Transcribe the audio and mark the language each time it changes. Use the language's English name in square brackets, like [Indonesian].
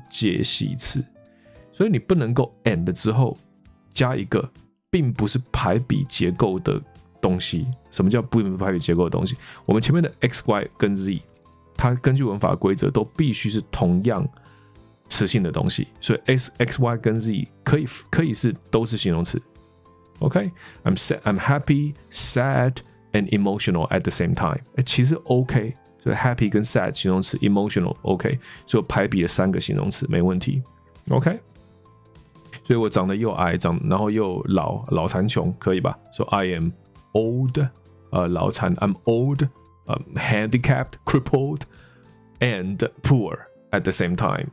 [Chinese] 介系词，所以你不能够 and 之后加一个并不是排比结构的东西。什么叫并不是排比结构的东西？我们前面的 x y 跟 z， 它根据文法规则都必须是同样词性的东西，所以 x y 跟 z 可以是都是形容词。 [English] OK， I'm sad, I'm happy, sad and emotional at the same time。 [Chinese] 其实 OK， 所以 happy 跟 sad 形容词 ，emotional OK， 所以排比的三个形容词没问题。 [English] OK。 [Chinese] 所以我长得又矮，然后又老，老残穷，可以吧？说、 [English] so、I am old， [Chinese] 老残 [English] ，I'm old， handicapped， crippled， and poor at the same time。